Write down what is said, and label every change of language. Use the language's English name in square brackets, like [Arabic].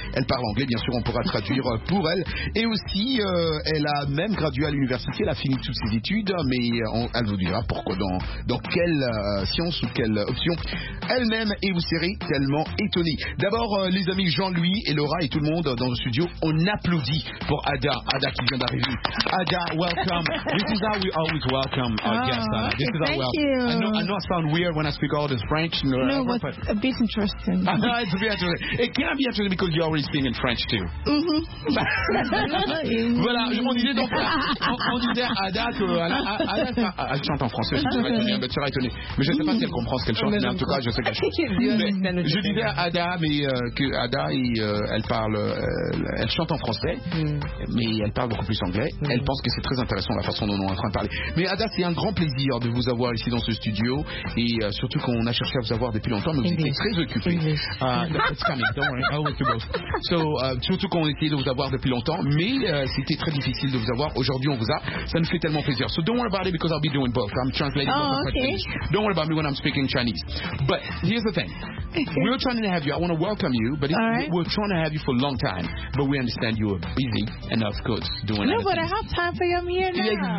[French] Elle parle anglais, bien sûr, on pourra traduire pour elle. Et aussi, elle a même gradué à l'université, elle a fini toutes ses études, mais elle vous dira pourquoi, dans quelle science ou quelle option elle-même, et vous serez tellement étonnés. D'abord, les amis Jean-Louis et Laura et tout le monde dans le studio, on applaudit pour Ada. Ada qui vient d'arriver. Ada, welcome. [English] This is how we always welcome our guests. This is thank our you. I know I sound weird when I speak all this French. No, but a bit interesting. It's very interesting. It can be interesting because you already sing in French too. Mm-hmm. [French] Voilà, on disait Ada que elle chante en français. Je serais étonné. Mais je ne sais pas si elle comprend ce qu'elle chante. Mais en tout cas, je sais qu'elle chante. Je disais Ada, mais que Ada, elle parle, elle chante en français, mais elle parle beaucoup plus anglais. Elle pense que c'est très intéressant la façon dont on est en train de parler. Mais Ada, c'est un grand plaisir de vous avoir ici dans ce studio et surtout qu'on a cherché à vous avoir depuis longtemps, mais vous étiez très occupé. [English] It's coming, don't worry, I'll work you both. [French] So, surtout qu'on essayait de vous avoir depuis longtemps, mais c'était très difficile de vous avoir. Aujourd'hui, on vous a. Ça nous fait tellement plaisir. [English] So, don't worry about it because I'll be doing both. I'm translating both. Don't worry about me when I'm speaking Chinese. But here's the thing. Okay. We're trying to have you. I want to welcome you. But we're trying to have you for a long time. But we understand you are busy and, of course, doing No, but I have time for you. I'm here now.